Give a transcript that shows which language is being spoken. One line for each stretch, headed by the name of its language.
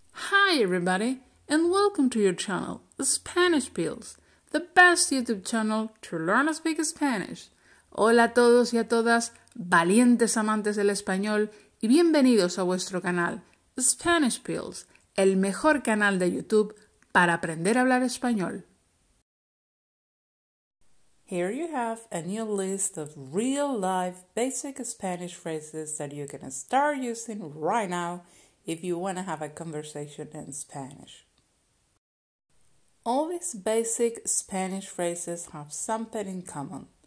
English: Hi everybody, and welcome to your channel, Spanish Pills, the best YouTube channel to learn to speak Spanish.
Spanish: Hola a todos y a todas, valientes amantes del español, y bienvenidos a vuestro canal, Spanish Pills, el mejor canal de YouTube para aprender a hablar español.
English: Here you have a new list of real-life basic Spanish phrases that you can start using right now if you want to have a conversation in Spanish. All these basic Spanish phrases have something in common.